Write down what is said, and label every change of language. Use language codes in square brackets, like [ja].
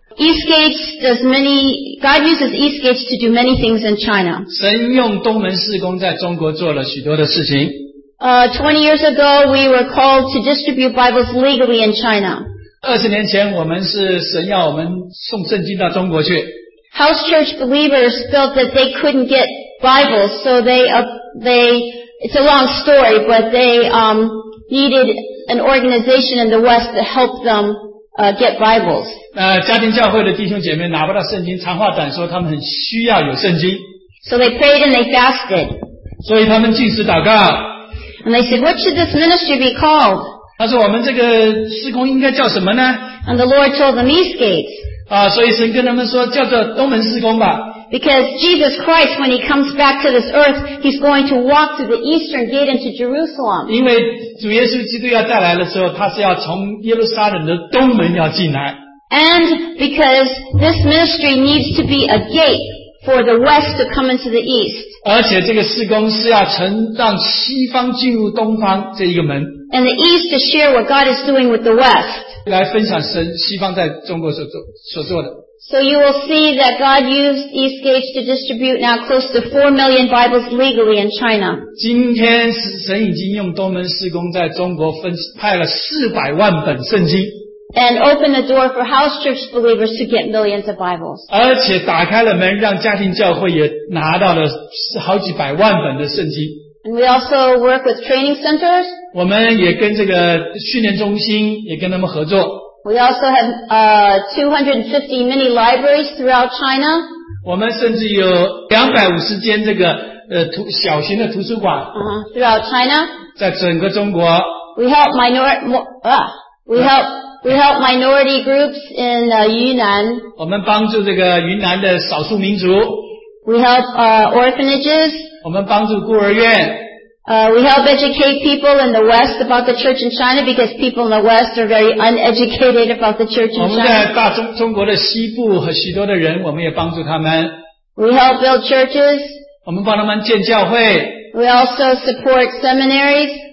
[en] Eastgate does many, God uses Eastgate to do many things in China. [zh] 神用东门事工在中国做了许多的事情。 [en] 20 years ago, we were called to distribute Bibles legally in China. [zh] 20年前我们是神要我们送圣经到中国去。 [en] House church believers felt that they couldn't get Bibles, so it's a long story, but they needed an organization in the West to help them get Bibles. [zh] 家庭教会的弟兄姐妹拿不到圣经，长话短说，他们很需要有圣经。 [en] So they prayed and they fasted. [zh] 所以他们进食祷告。 [en] And they said, what should this ministry be called? [zh] 他说我们这个事工应该叫什么呢？ [en] And the Lord told them, East Gate. [zh] 所以神跟他们说叫做东门事工吧。 [en] Because Jesus Christ, when he comes back to this earth, he's going to walk through the eastern gate into Jerusalem. [zh] 因为主耶稣基督要再来的时候，他是要从耶路撒冷的东门要进来。 [en] And because this ministry needs to be a gate for the west to come into the east. [zh] 而且这个事工是要承让西方进入东方这一个门。 [en] And the east to share what God is doing with the west. [zh] 来分享神西方在中国所做的。 [en] So you will see that God used East Gate to distribute now close to 4 million Bibles legally in China. [zh] 今天神已经用东门事工在中国派了400万本圣经。 [en] And open the door for house church believers to get millions of Bibles. [zh] 而且打开了门让家庭教会也拿到了好几百万本的圣经。 [en] And we also work with training centers. [zh] 我们也跟这个训练中心也跟他们合作。 [en] We also have 250 mini libraries throughout China. [zh] 我们甚至有250间这个小型的图书馆。 [en] Throughout China. [zh] 在整个中国。 [en] We help minority groups in Yunnan. [zh] 我们帮助这个云南的少数民族。 [en] We help orphanages. [zh] 我们帮助孤儿院。 [en] We help educate people in the West about the church in China because people in the West are very uneducated about the church in China. [zh] 我们在中国的西部和许多的人，我们也帮助他们。 [en] We help build churches. [zh] 我们帮他们建教会。 [en] We also support seminaries.